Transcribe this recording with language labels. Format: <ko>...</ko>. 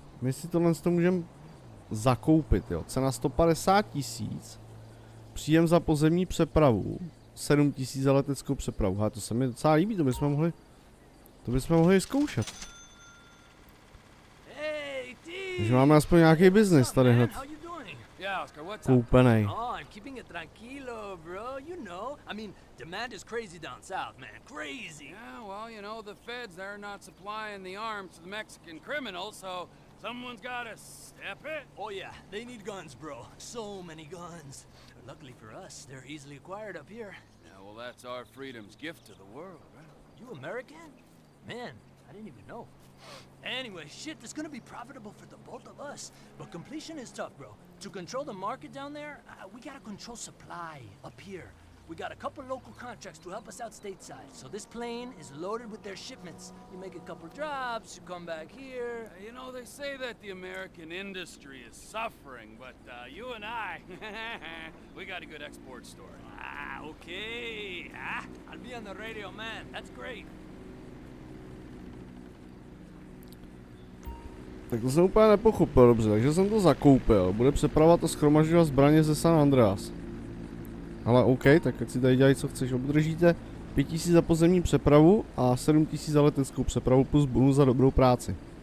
<cs>My si tohle z toho můžeme zakoupit, jo. Cena 150 tisíc, příjem za pozemní přepravu, 7 tisíc za leteckou přepravu. Hele, to se mi docela líbí, to bychom mohli zkoušet. Takže máme aspoň nějaký business tady hned.</cs> <en>Yeah, Oscar, what's</en> <cs>Koupenej.</cs> <en>Up? Oh, I'm keeping it tranquilo, bro. You know, I mean, demand is crazy down south, man. Crazy. Yeah, well, you know, the feds, they're not supplying the arms to the Mexican criminals, so someone's gotta step it. Oh, yeah, they need guns, bro. So many guns. Luckily for us, they're easily acquired up here. Yeah, well, that's our freedom's gift to the world, right? You American? Man, I didn't even know. Anyway, shit, it's gonna be profitable for the both of us. But completion is tough, bro. To control the market down there, we gotta control supply up here. We got a couple local contracts to help us out stateside. So this plane is loaded with their shipments. You make a couple drops, you come back here. You know, they say that the American industry is suffering, but you and I, we got a good export story. Ah, okay. Ah, I'll be on the radio, man. That's great.</en> <cs>Tak to jsem úplně nepochopil dobře, takže jsem to zakoupil. Bude přepravovat a shromažďovat zbraně ze San Andreas. Ale OK, tak ať si tady dělají co chceš, obdržíte 5000 za pozemní přepravu a 7000 za leteckou přepravu plus bonus za dobrou práci.</cs>